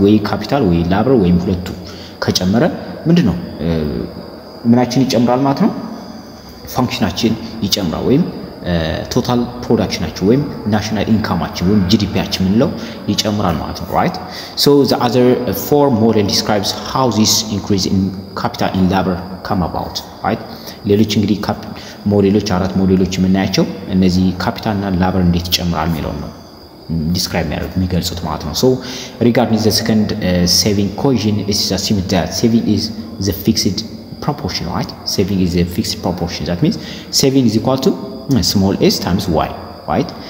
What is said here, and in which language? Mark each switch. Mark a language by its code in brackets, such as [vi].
[am] ወይ ካፒታል ወይ ላበር ወይም ሁለቱ ከጨመረ ምንድን ነው? ምናችን ይጨምራል ማለት ነው? ፋንክሽናችን ይጨምራል ወይም ቶታል ፕሮዳክሽናችን ወይም ናሽናል ኢንካማችን ወይም ጂዲፒያችን ምንለው ይጨምራል ማለት ነው, right? [en] So the other four model describes how this increase in capital in labor come about, right? [am] ሌሎች እንግዲህ ሞዴሎች አራት ሞዴሎች ምናያቸው እነዚህ ካፒታል እና ላበር እንዴት ይጨምራል ማለት ነው describe ማለት የሚገልጹት ማለት ነው. [en] So regarding the second saving cohesion is assumed that saving is the fixed proportion, right? Saving is a fixed proportion. That means saving is equal to small s times y, right?